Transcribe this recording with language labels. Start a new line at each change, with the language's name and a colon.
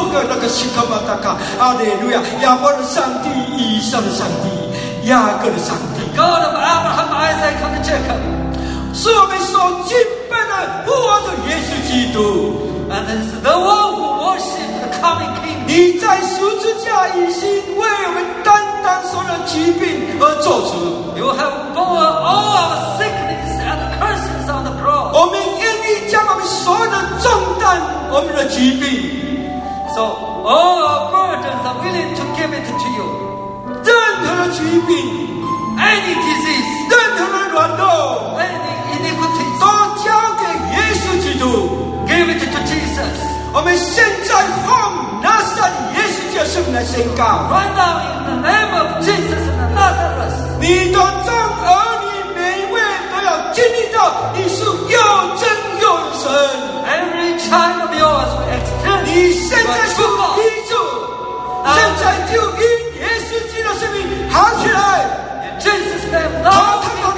Chinese: 阿利路亚，亚伯的上帝，以撒的上帝，雅各的上帝。
English: God of Abraham, Isaac, and Jacob,
Chinese: 是我们所敬拜的复活的耶稣基督。
English: And it's the one who worships the coming King.
Chinese: 你在十字架已经为我们担当所有疾病和作主。
English: You have borne all our sicknesses and curses on the cross.
Chinese: 我们愿意将我们所有的重担，我们的疾病。
English: So. All our burdens are willing to give it to you.
Chinese: 任何的疾病，
English: any disease,
Chinese: 任何的软弱，
English: any iniquities,
Chinese: 都交给耶稣基督。
English: Give it to Jesus.
Chinese: 我们现在奉拿撒勒耶稣基督圣名来宣告。
English: Right now, in the name of Jesus and Nazareth,
Chinese: 你的众儿女每一位都要经历到你是又真又神。
English: Every child of yours will experience your true God.
Chinese: 你现在就医治，现在就医耶稣基督的生命，好起来。
English: Jesus name, now come on,